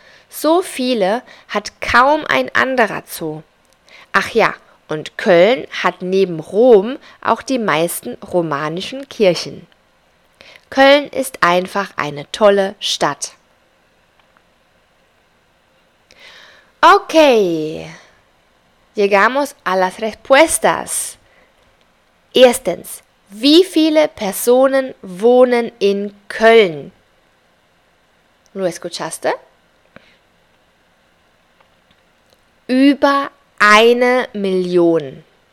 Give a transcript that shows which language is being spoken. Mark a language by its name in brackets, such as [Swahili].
[German] So viele hat kaum ein anderer Zoo. Ach ja, und Köln hat neben Rom auch die meisten romanischen Kirchen. Köln ist einfach eine tolle Stadt. [Spanish] Okay, llegamos a las respuestas. [German] Erstens, wie viele Personen wohnen in Köln? [Spanish] ¿Lo escuchaste? [German] Über 1 Million.